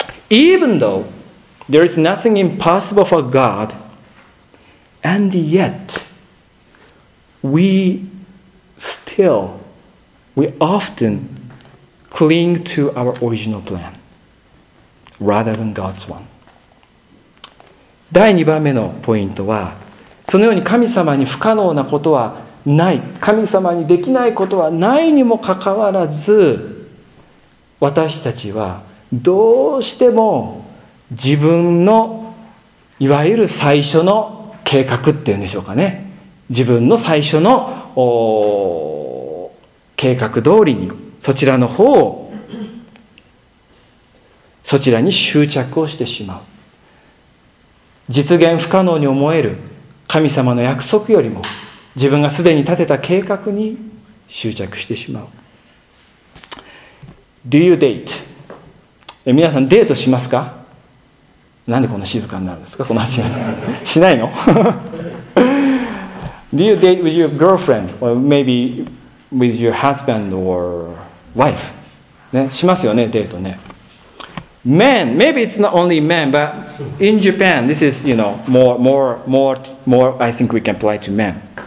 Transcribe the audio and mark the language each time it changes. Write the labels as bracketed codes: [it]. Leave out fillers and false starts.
[en] Even though there is nothing impossible for God, and yet we often cling to our original plan rather than God's one. [ja] 第2番目のポイントは、そのように神様に不可能なことはない、神様にできないことはないにもかかわらず、私たちはどうしても自分のいわゆる最初の計画っていうんでしょうかね、自分の最初の計画通りにそちらの方を、そちらに執着をしてしまう。実現不可能に思える神様の約束よりも、自分がすでに立てた計画に執着してしまう。 [en] Do you date? [ja] 皆さんデートしますか？なんでこんな静かになるんですか、この足がしないの？ [en] Do you date with your girlfriend? Or maybe with your husband or wife? [ja] ね、しますよね、デートね。 [en] Men, maybe it's not only men, but in Japan, this is, you know, more, I think we can apply to men.